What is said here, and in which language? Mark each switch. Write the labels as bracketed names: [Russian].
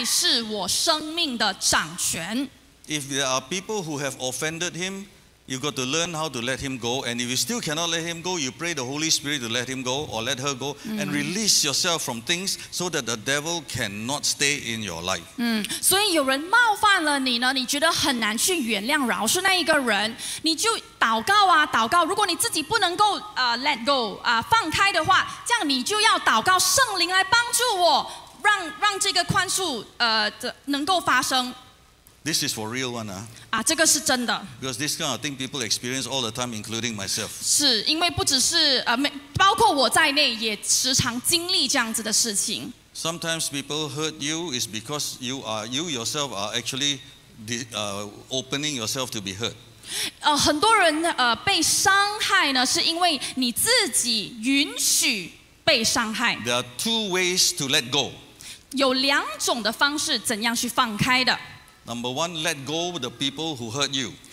[Chinese] 所以我就是要学习祷告说，肉体不再是我生命的掌权。If [English] there are people who have offended him, you've got to learn how to let him go. And if you still cannot let him go, you pray the Holy Spirit to let him go or let her go and release yourself from things so that the devil cannot stay in your life. [Chinese] 所以有人冒犯了你呢，你觉得很难去原谅饶恕那一个人，你就祷告啊，祷告。如果你自己不能够 [English] let go, [Chinese] 放开的话，这样你就要祷告圣灵来帮助我，让这个宽恕能够发生。 [English] This is for real one. [Chinese] 这个是真的. [English] Because this kind of thing people experience all the time, including myself. [Chinese] 是因为不只是 包括我在内也时常经历这样子的事情. [English] Sometimes people hurt you is because you are you yourself are actually opening yourself to be hurt. [Chinese] 很多人 被伤害呢，是因为你自己允许被伤害. [English] There are two ways to let go. [Chinese] 有两种的方式怎样去放开的. [English] Number one, let go of the people who hurt you.